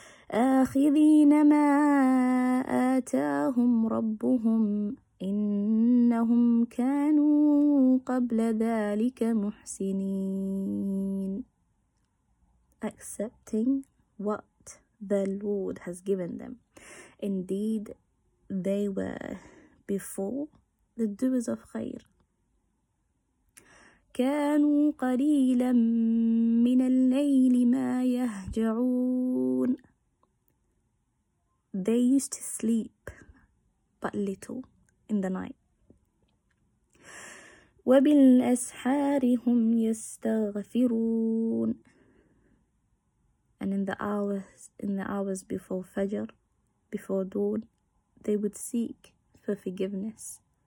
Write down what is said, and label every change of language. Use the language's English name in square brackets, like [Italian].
[Arabic] آخِذِينَ مَا آتَاهُمْ رَبُّهُمْ إِنَّهُمْ كَانُوا قَبْلَ ذَلِكَ مُحْسِنِينَ. [English] Accepting what the Lord has given them. Indeed, they were before the doers of khair. [Arabic] كانوا قليلا من الليل ما يهجعون. [English] They used to sleep but little in the night. [Arabic] وبالأسحار هم يستغفرون. [English] And in the hours before Fajr, before dawn, they would seek for forgiveness.